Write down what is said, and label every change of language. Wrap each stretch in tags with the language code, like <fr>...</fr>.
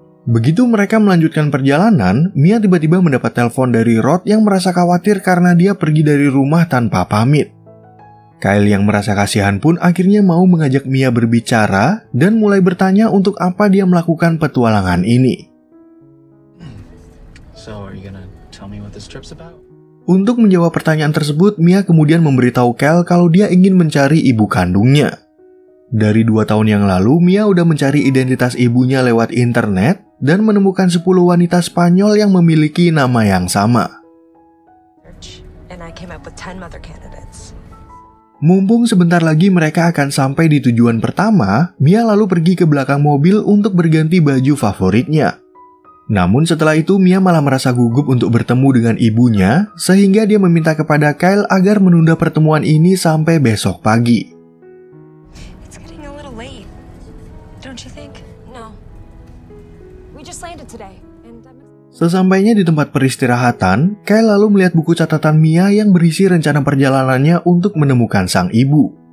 <id>Begitu mereka melanjutkan perjalanan, Mia tiba-tiba mendapat telepon dari Rod yang merasa khawatir karena dia pergi dari rumah tanpa pamit. Kyle yang merasa kasihan pun akhirnya mau mengajak Mia berbicara dan mulai bertanya untuk apa dia melakukan petualangan ini.</id> <en>So, are you gonna tell me what this trip's about?</en> <id>Untuk menjawab pertanyaan tersebut, Mia kemudian memberitahu Kyle kalau dia ingin mencari ibu kandungnya. Dari 2 tahun yang lalu, Mia udah mencari identitas ibunya lewat internet dan menemukan 10 wanita Spanyol yang memiliki nama yang sama.</id> <en>And I came up with 10 mother candidates.</en> <id>Mumpung sebentar lagi mereka akan sampai di tujuan pertama, Mia lalu pergi ke belakang mobil untuk berganti baju favoritnya. Namun setelah itu, Mia malah merasa gugup untuk bertemu dengan ibunya, sehingga dia meminta kepada Kyle agar menunda pertemuan ini sampai besok pagi.</id> <en>It's getting a little late, don't you think? No. We just landed today.</en> <id>Sesampainya di tempat peristirahatan, Kyle lalu melihat buku catatan Mia yang berisi rencana perjalanannya untuk menemukan sang ibu.</id>